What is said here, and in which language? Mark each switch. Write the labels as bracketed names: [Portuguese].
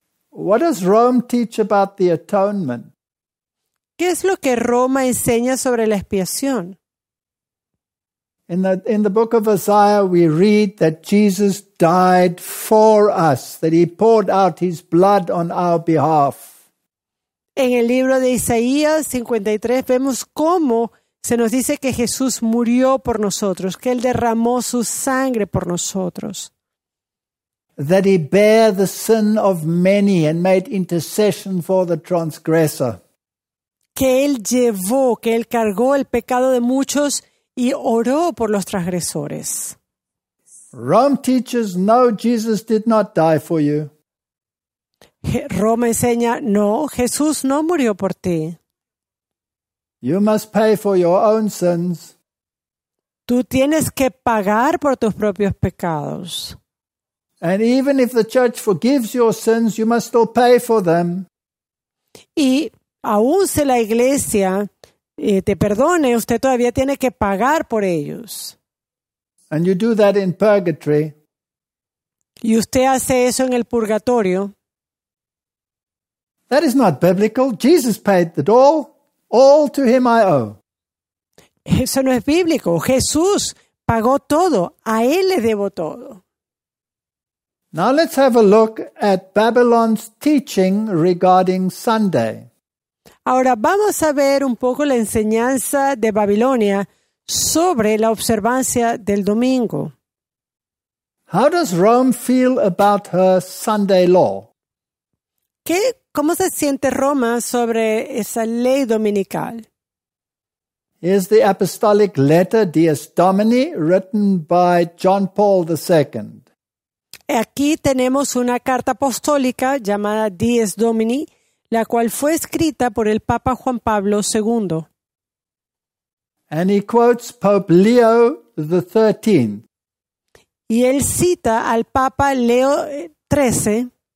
[English] What does Rome teach about the atonement? [Spanish] ¿Qué es lo que Roma enseña sobre la expiación? [English] In the book of Isaiah we read that Jesus died for us, that he poured out his blood on our behalf. [Spanish] En el libro de Isaías 53 vemos cómo se nos dice que Jesús murió por nosotros, que él derramó su sangre por nosotros. [English] That he bare the sin of many and made intercession for the transgressor. [Spanish] Que él llevó, que él cargó el pecado de muchos y oró por los transgresores. [English] Rome teaches, no, Jesus did not die for you. [Spanish] Roma enseña, no, Jesús no murió por ti. [English] You must pay for your own sins. [Spanish] Tú tienes que pagar por tus propios pecados. [English] And even if the church forgives your sins, you must still pay for them. [Spanish] Y aun si la iglesia te perdone, usted todavía tiene que pagar por ellos. [English] And you do that in purgatory. [Spanish] Y usted hace eso en el purgatorio. [English] That is not biblical. Jesus paid it all. All to him I owe. [Spanish] Eso no es bíblico. Jesús pagó todo. A él le debo todo. [English] Now let's have a look at Babylon's teaching regarding Sunday. [Spanish] Ahora vamos a ver un poco la enseñanza de Babilonia sobre la observancia del domingo. [English] How does Rome feel about her Sunday law? [Spanish] ¿Cómo se siente Roma sobre esa ley dominical? [English] Is the apostolic letter Dies Domini written by John Paul II? [Spanish] Aquí tenemos una carta apostólica llamada Dies Domini, la cual fue escrita por el Papa Juan Pablo II. [English] And he quotes Pope Leo the 13th. [Spanish] Y él cita al Papa Leo XIII.